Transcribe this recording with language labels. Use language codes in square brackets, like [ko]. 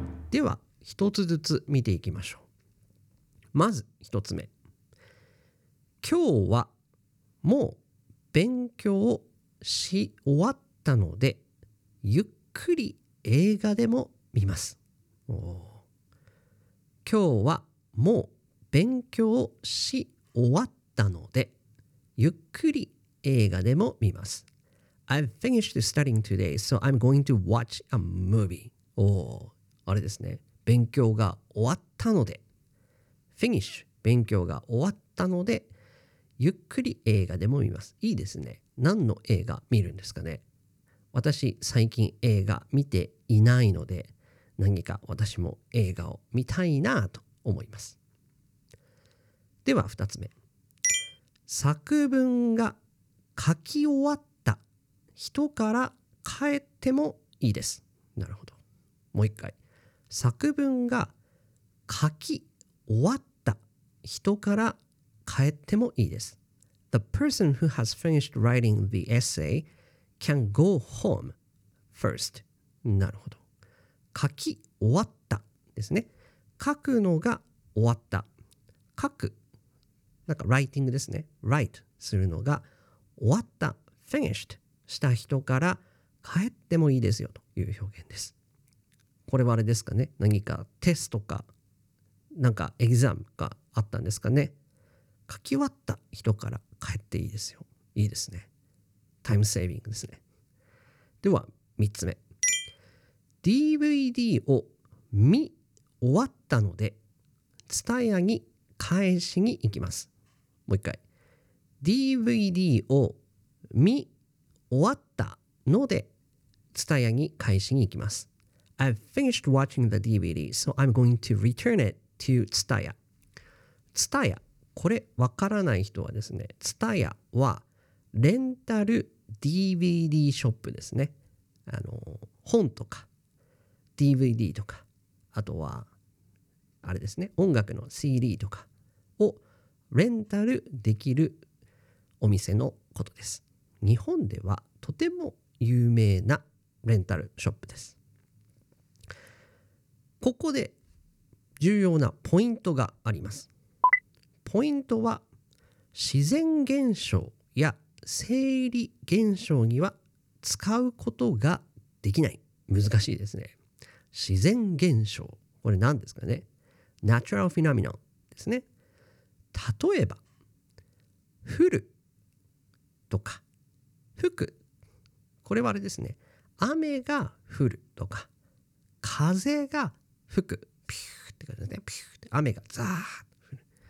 [ja] では一つずつ見ていきましょう。まず1つ目、今日はもう勉強をし終わったので、ゆっくり映画でも見ます。今日はもう勉強をし終わったので、ゆっくり映画でも見ます。 [en] I've finished studying today, so I'm going to watch a movie. [ja] あれですね、勉強が終わったので、 finish 勉強が終わったので、ゆっくり映画でも見ます。いいですね。何の映画見るんですかね。私最近映画見ていないので、何か私も映画を見たいなと思います。では2つ目、作文が書き終わった人から帰ってもいいです。なるほど、もう一回、作文が書き終わった人から帰ってもいいです。 [en] The person who has finished writing the essay can go home first. [ja] なるほど、書き終わったですね。書くのが終わった、書く、なんか writing ですね、 write するのが終わった、 finished した人から帰ってもいいですよという表現です。これはあれですかね、何かテストかなんかエグザムがあったんですかね。書き終わった人から帰っていいですよ。いいですね。タイムセービングですね。では3つ目、 DVD を見終わったので、伝え屋に返しに行きます。もう一回、 DVD を見終わったので、伝え屋に返しに行きます。 [en] I've finished watching the DVD, so I'm going to return it to TSUTAYA. [ja] TSUTAYA、 これ分からない人はですね、 TSUTAYA はレンタル DVD ショップですね。本とか DVD とか、あとはあれですね、音楽の CD とかをレンタルできるお店のことです。日本ではとても有名なレンタルショップです。ここで重要なポイントがあります。ポイントは、自然現象や生理現象には使うことができない。難しいですね。自然現象、これ何ですかね。 [en] Natural phenomenon [ja] ですね。例えば降るとか吹く、これはあれですね、雨が降るとか風が吹く、ピューって感じですね、ピューって雨がザーッと降る、